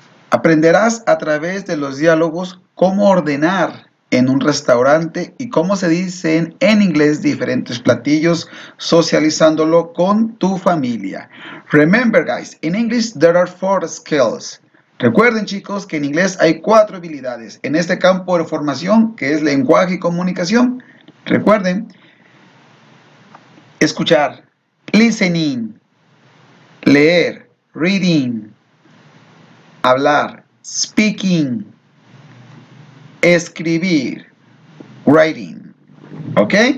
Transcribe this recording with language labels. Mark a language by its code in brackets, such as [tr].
[es] Aprenderás a través de los diálogos cómo ordenar en un restaurante y cómo se dicen en inglés diferentes platillos socializándolo con tu familia. [en] Remember guys, in English there are four skills. [es] Recuerden chicos que en inglés hay cuatro habilidades en este campo de formación que es lenguaje y comunicación. Recuerden, escuchar, listening, leer, reading, hablar, speaking, escribir, writing. ¿Ok?